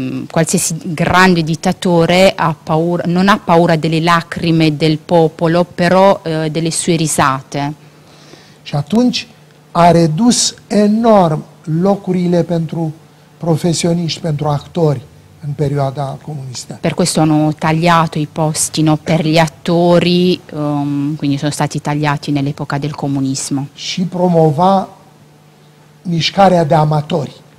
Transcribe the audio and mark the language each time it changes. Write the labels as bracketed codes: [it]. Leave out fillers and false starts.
[it] Qualsiasi grande dittatore non ha paura delle lacrime del popolo, però delle sue risate. [ro] Și atunci a redus enorm locurile pentru profesioniști, pentru actori în perioada comunistă. [it] Per questo hanno tagliato i posti, no, per gli attori, quindi sono stati tagliati nell'epoca del comunismo. [ro] Și promova mișcarea de amatori.